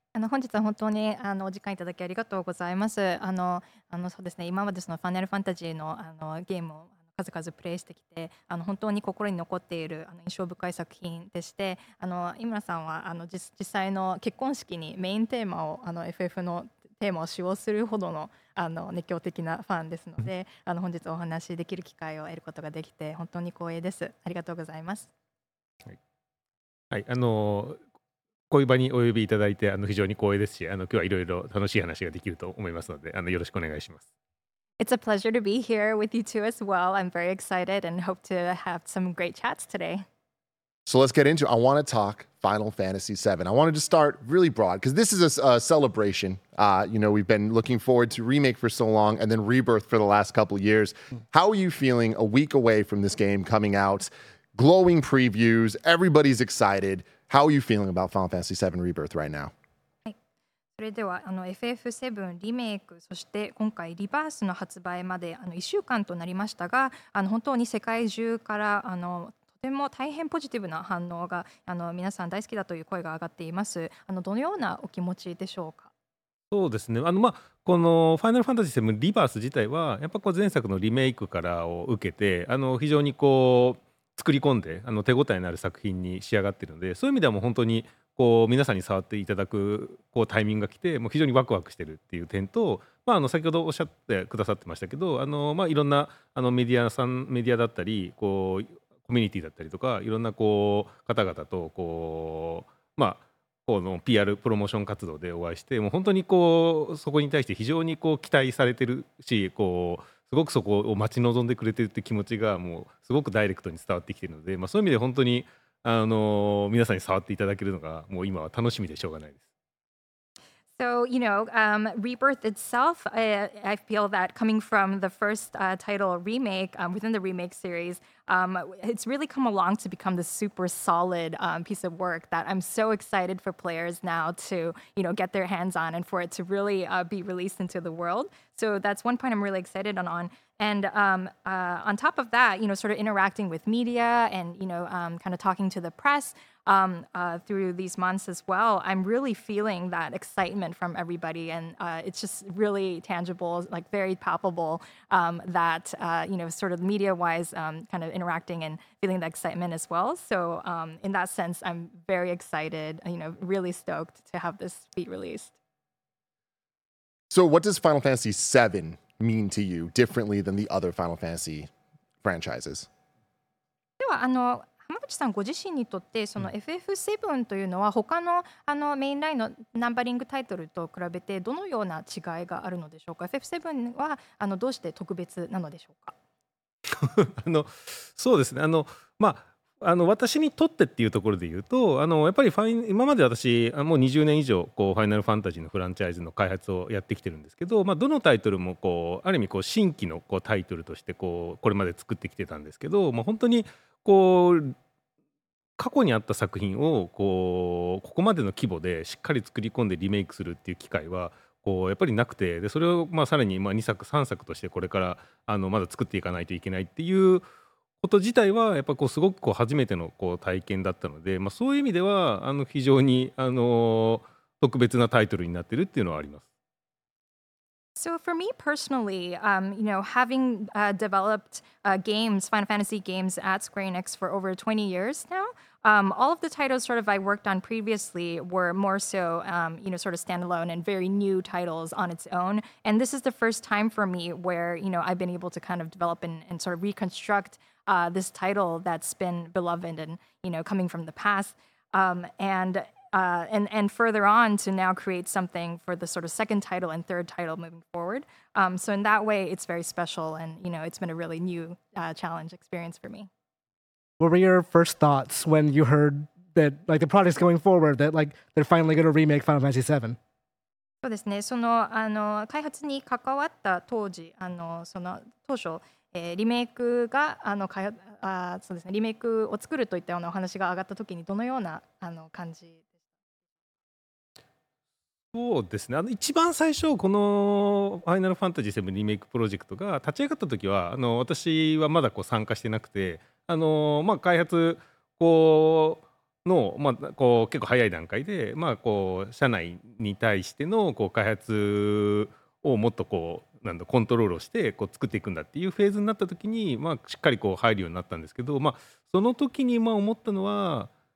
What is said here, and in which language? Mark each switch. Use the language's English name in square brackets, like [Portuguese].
[Japanese] 本日は本当にお時間いただきありがとうございます。そうですね、今までそのファイナルファンタジーのゲームを数々プレイしてきて本当に心に残っている印象深い作品でして、井村さんは実際の結婚式にメインテーマをFF のテーマを使用するほどの熱狂的なファンですので本日お話しできる機会を得ることができて本当に光栄です。ありがとうございます。はい、こういう場にお呼びいただいて非常に光栄ですし、今日はいろいろ楽しい話ができると思いますのでよろしくお願いします。 [English] It's a pleasure to be here with you two as well. I'm very excited and hope to have some great chats today. So let's get into it. I want to talk Final Fantasy VII. I wanted to start really broad because this is a celebration. We've been looking forward to Remake for so long and then Rebirth for the last couple of years. How are you feeling a week away from this game coming out? Glowing previews. Everybody's excited. How are you feeling about Final Fantasy VII Rebirth right now? [Japanese] それでは FF7 リメイク、そして今回リバースの発売まで1週間となりましたが、本当に世界中からとても大変ポジティブな反応が皆さん大好きだという声が上がっています。どのようなお気持ちでしょうか。そうですね、このファイナルファンタジー7リバース自体はやっぱり前作のリメイクからを受けて非常にこう作り込んで手応えのある作品に仕上がっているので、そういう意味ではもう本当にこう皆さんに触っていただくこうタイミングが来てもう非常にワクワクしてるっていう点と、先ほどおっしゃってくださってましたけど、いろんなメディアさん、メディアだったりこうコミュニティだったりとかいろんなこう方々とこう、この PR プロモーション活動でお会いして、もう本当にこうそこに対して非常にこう期待されてるし、こうすごくそこを待ち望んでくれてるって気持ちがもうすごくダイレクトに伝わってきてるので、そういう意味で本当に皆さんに触っていただけるのがもう今は楽しみでしょうがないです。 [English] So, you know, Rebirth itself, I feel that coming from the first title remake within the remake series, it's really come along to become this super solid piece of work that I'm so excited for players now to, get their hands on and for it to really be released into the world. So that's one point I'm really excited on. And on top of that, sort of interacting with media and, kind of talking to the press through these months as well, I'm really feeling that excitement from everybody. And it's just really tangible, like very palpable that, sort of media-wise kind of interacting and feeling the excitement as well. So in that sense, I'm very excited, really stoked to have this be released. So what does Final Fantasy VII mean to you differently than the other Final Fantasy franchises. [Japanese] ではあの浜口さんご自身にとってその FF7 というのは他 の, あのメインラインのナンバリングタイトルと比べてどのような違いがあるのでしょうか。 FF7 はあのどうして特別なのでしょうか。あのそうですね、あの、まあ、あの私にとってっていうところで言うと、あのやっぱりファイ今まで私もう20年以上こうファイナルファンタジーのフランチャイズの開発をやってきてるんですけど、まあ、どのタイトルもこうある意味こう新規のこうタイトルとしてこうこれまで作ってきてたんですけど、もう本当にこう過去にあった作品を ここまでの規模でしっかり作り込んでリメイクするっていう機会はこうやっぱりなくて、でそれをまあさらにまあ2作3作としてこれからあのまだ作っていかないといけないっていうこと自体はやっぱりすごくこう初めてのこう体験だったので、まあ、そういう意味ではあの非常にあの特別なタイトルになってるっていうのはあります。 [English] So for me personally, you know, having developed games, Final Fantasy games at Square Enix for over 20 years now, all of the titles sort of I worked on previously were more so, you know, sort of standalone and very new titles on its own. And this is the first time for me where, you know, I've been able to kind of develop and sort of reconstruct this title that's been beloved and, you know, coming from the past. And further on to now create something for the sort of second title and third title moving forward. So in that way, it's very special, and you know, it's been a really new challenge experience for me. What were your first thoughts when you heard that like the project's going forward, that like they're finally going to remake Final Fantasy VII? [Japanese] そうですね。その、あの、開発に関わった当時、あの、その、当初、リメイクが、あの、開発、あ、そうですね。リメイクを作るといったようなお話が上がった時にどのような、あの、感じ。そうですね、あの一番最初このファイナルファンタジー7リメイクプロジェクトが立ち上がった時はあの私はまだこう参加してなくて、あの、まあ、開発こうの、まあ、こう結構早い段階で、まあ、こう社内に対してのこう開発をもっとこうなんだコントロールをしてこう作っていくんだっていうフェーズになった時に、まあ、しっかりこう入るようになったんですけど、まあ、その時にまあ思ったのは